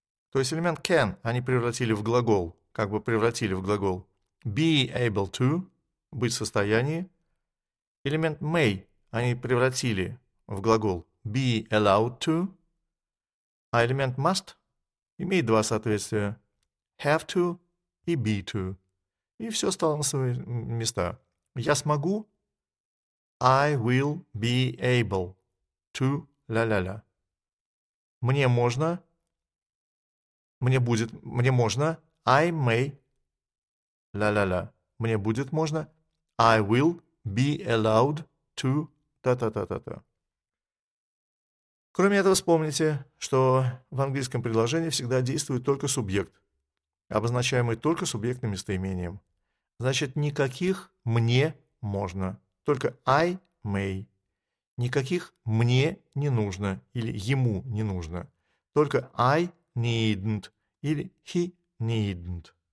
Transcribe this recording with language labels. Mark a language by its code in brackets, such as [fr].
[ru] То есть элемент can они превратили в глагол, как бы превратили в глагол [en] be able to, [ru] быть в состоянии. Элемент may они превратили в глагол [en] be allowed to, [ru] а элемент must имеет два соответствия [en] have to [ru] и [en] be to. [ru] И все стало на свои места. Я смогу, [en] I will be able to, ля-ля-ля. [ru] Мне можно, мне будет, мне можно, [en] I may, [ru] ля-ля-ля. Мне будет можно, [en] I will be allowed to та-та-та-та-та. [ru] Кроме этого, вспомните, что в английском предложении всегда действует только субъект, обозначаемый только субъектным местоимением. Значит, никаких «мне можно», только [en] «I may». [ru] Никаких «мне не нужно» или «ему не нужно», только [en] «I needn't» [ru] или [en] «he needn't».